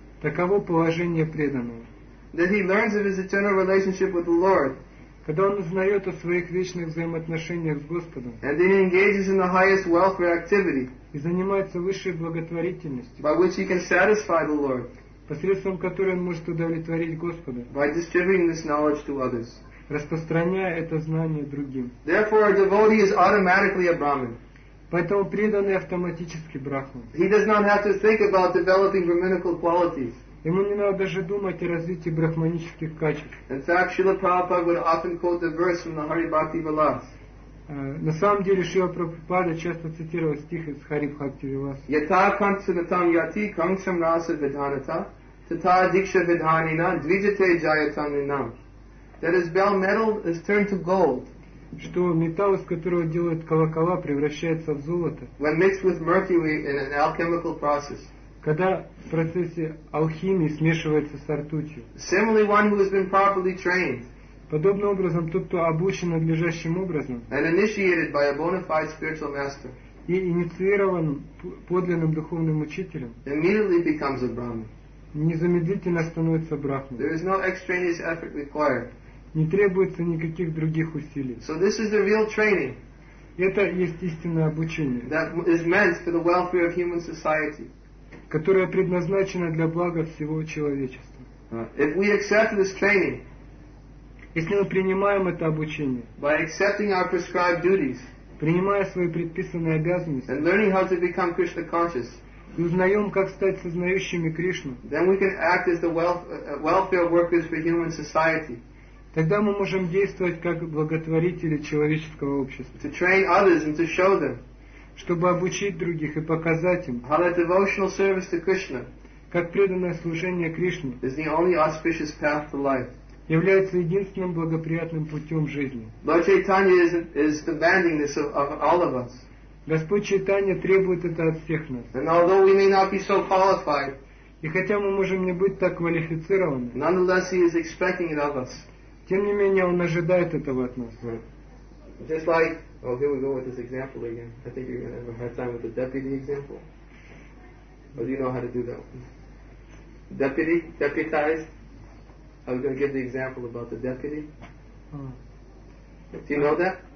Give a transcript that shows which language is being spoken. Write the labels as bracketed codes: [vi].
[ru] Таково положение преданного. [en] That he learns of his eternal relationship with the Lord. [ru] Когда он узнает о своих вечных взаимоотношениях с Господом, [en] and then he engages in the highest welfare activity, [ru] и занимается высшей благотворительностью, [en] by which he can satisfy the Lord, [ru] посредством которой он может удовлетворить Господа, [en] by distributing this knowledge to others, [ru] распространяя это знание другим. [en] Therefore, a devotee is automatically a Brahmin. [ru] Поэтому преданный автоматически брахман. [en] He does not have to think about developing brahminical qualities. [ru] Ему не надо даже думать о развитии брахманических качеств. [en] In fact, Srila Prabhupada would often quote the verse from the Hari Bhakti Vilas. [ru] На самом деле, Шрила Прабхупада часто цитировал стих из Хари Бхакти Вилас. [sa] Yata kanchanatam yati kancham rasa vidhanata tata diksha vidhanina dvijate jayatam ninam. [en] That is, bell metal is turned to gold. [ru] Что металл, из которого делают колокола, превращается в золото. [en] When mixed with mercury in an alchemical process. [ru] Когда в процессе алхимии смешивается с ртутью. [en] Similarly, one who has been properly trained. [ru] Подобным образом тот, кто обучен надлежащим образом. [en] And initiated by a bona fide spiritual master. [ru] И инициирован подлинным духовным учителем. [en] Immediately becomes a Brahmin. [ru] Незамедлительно становится брахманом. [en] There is no extraneous effort required. [ru] Не требуется никаких других усилий. [en] So this is the real training. [ru] Это есть истинное обучение. [en] That is meant for the welfare of human society. [ru] Которая предназначена для блага всего человечества. [en] If we accept this training, [ru] если мы принимаем это обучение, [en] by accepting our prescribed duties, [ru] принимая свои предписанные обязанности, [en] and learning how to become Krishna conscious, [ru] и узнаем, как стать сознающими Кришну, [en] then we can act as the welfare workers for human society, [ru] тогда мы можем действовать как благотворители человеческого общества. [en] To train others and to show them, [ru] чтобы обучить других и показать им, [en] how that devotional service to Krishna, [ru] как преданное служение Кришне, [en] is the only auspicious path to life, [ru] является единственным благоприятным путем жизни. [en] Lord Chaitanya is demanding this of all of us. [ru] Господь Чайтанья требует это от всех нас. [en] And although we may not be so qualified, [ru] и хотя мы можем не быть так квалифицированы, [en] nonetheless he is expecting it of us. [ru] Тем не менее он ожидает этого от нас. [en] Just like, oh, here we go with this example again. I think you're going to have a hard time with the deputy example. But you know how to do that one. Deputy? Deputized? I was going to give the example about the deputy. Do you know that?